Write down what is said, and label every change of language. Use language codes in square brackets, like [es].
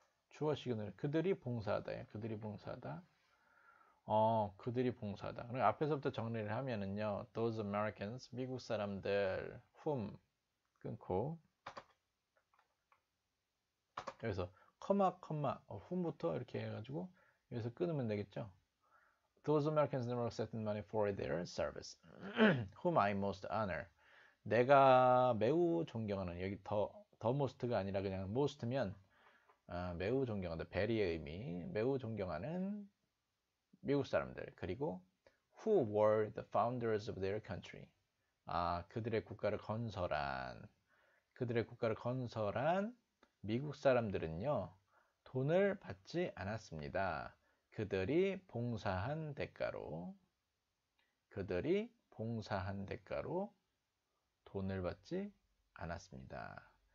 [ko] 주어 시그널. 그들이 봉사하다. 그들이 봉사하다. 그들이 봉사하다. 그럼 앞에서부터 정리를 하면은요. [en] Those Americans, [ko] 미국 사람들, whom, 끊고. 여기서. 커마 커마 훔부터 이렇게 해가지고 여기서 끊으면 되겠죠? [en] Those Americans never accepted money for their service, whom I most honor. [ko] 내가 매우 존경하는 여기 더 most가 아니라 그냥 most면 매우 존경한다. Very의 의미 매우 존경하는 미국 사람들, 그리고 [en] who were the founders of their country? [ko] 아, 그들의 국가를 건설한, 그들의 국가를 건설한 미국 사람들은요, 돈을 받지 않았습니다. 그들이 봉사한 대가로, 그들이 봉사한 대가로 돈을 받지 않았습니다.